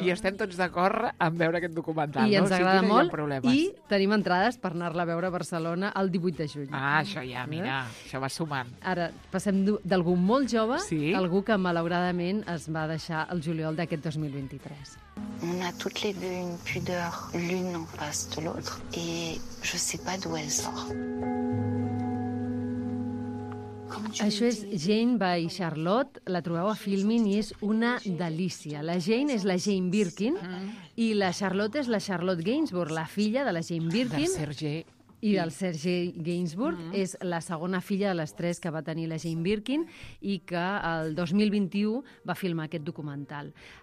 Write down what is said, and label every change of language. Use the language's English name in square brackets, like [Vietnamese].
[Catalan] I estem tots d'acord en veure aquest documental. I no? Ens agrada, o sigui, molt. No, i tenim entrades per anar-la a veure a Barcelona el 18 de juny. Ah, això ja, mira, això va sumant. Ara passem d'algú molt jove, sí, algú que malauradament es va deixar el juliol d'aquest 2023. [French] On a toutes les deux une pudeur, l'une en face de l'autre, et je sais pas d'où elle sort. [Catalan] Això és Jane by Charlotte, la trobeu a Filmin i és una delícia. La Jane és la Jane Birkin i la Charlotte és la Charlotte Gainsbourg, la filla de la Jane Birkin. De Sergi. I del Sergi Gainsbourg. Mm. És la segona filla de les tres que va tenir la Jane Birkin i que el 2021 va filmar aquest documental.